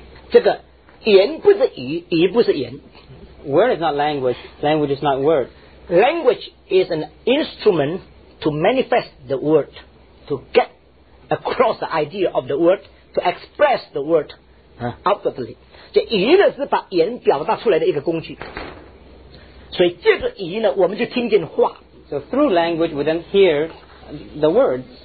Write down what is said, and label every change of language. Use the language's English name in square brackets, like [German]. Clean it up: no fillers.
[Chinese] 这个言不是语，语不是言。 [English] Word is not language. Language is not word. Language is an instrument to manifest the word, to get across the idea of the word, to express the word outwardly. [Chinese] 这语呢是把言表达出来的一个工具。所以借着语呢，我们就听见话。 [English] So through language, we then hear the words,